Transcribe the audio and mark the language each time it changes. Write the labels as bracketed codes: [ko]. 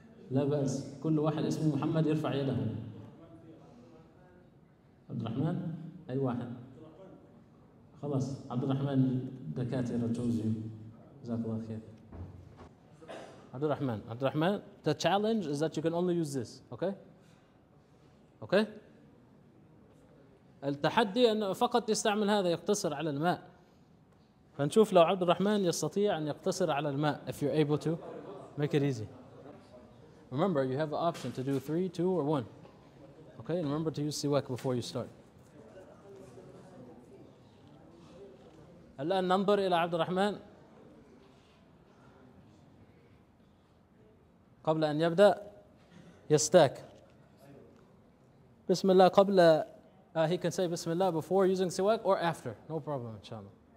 [ar] لا بأس, كل واحد اسمه محمد يرفع يده. عبد الرحمن. أي واحد؟ خلاص عبد الرحمن. دكاترة توزيع, جزاك الله خير. [en] Abdurrahman. Abdurrahman, the challenge is that you can only use this. Okay? Okay? [ar] التحدي أنه فقط يستعمل هذا يقتصر على الماء. فنشوف لو عبد الرحمن يستطيع أن يقتصر على الماء. [en] If you're able to, make it easy. Remember, you have the option to do 3, 2, or 1. Okay? And remember to use siwak before you start. [ar] الآن ننظر إلى عبد الرحمن قبل أن يبدأ يستاك. بسم الله قبل [en] he can say Bismillah before using siwak or after. No problem, inshallah.